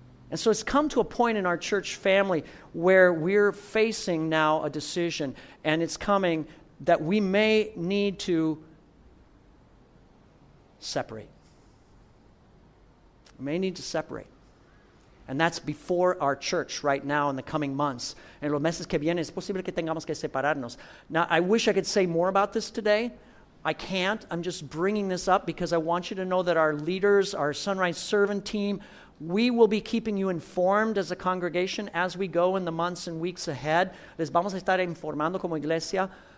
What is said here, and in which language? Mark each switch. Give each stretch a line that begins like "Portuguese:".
English: And so it's come to a point in our church family where we're facing now a decision. And it's coming that we may need to separate. We may need to separate. And that's before our church right now in the coming months.
Spanish: En los meses que vienen, es posible que tengamos que separarnos.
English: Now, I wish I could say more about this today. I can't. I'm just bringing this up because I want you to know that our leaders, our Sunrise Servant Team, we will be keeping you informed as a congregation as we go in the months and weeks ahead.
Spanish: Les vamos a estar informando como iglesia.